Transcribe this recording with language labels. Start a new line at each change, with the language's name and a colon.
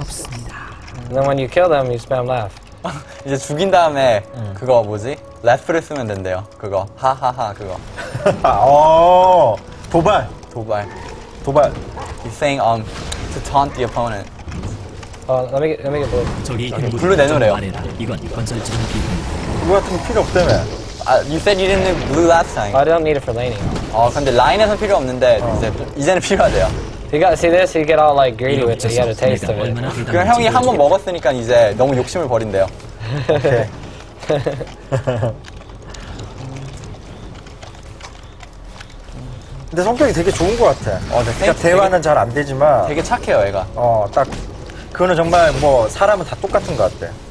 English: And then when you kill them, you spam laugh.
Korean: 이제 죽인 다음에 그거 뭐지? 래프를 쓰면 된대요. 그거. 하하하 그거. 오! 도발! 도발. 도발.
English: He's saying to taunt the opponent. Let me get blue. 저기
Korean: 블루 내놓으래요. 이건 건설적인 기분. 그거 같으면 필요 없다며.
English: You said you didn't need blue last time. I don't need it for laning.
Korean: 근데 라인에서 필요 없는데 이제는 필요하대요.
English: You got see this? You get all like greedy with it. You get a taste of it.
Korean: 그럼 형이 한 번 먹었으니까 이제 너무 욕심을 버린대요. 근데 성격이 되게 좋은 것 같아. 그러니까 대화는 잘 안 되지만 되게 착해요, 얘가. 딱 그거는 정말 뭐 사람은 다 똑같은 것 같아.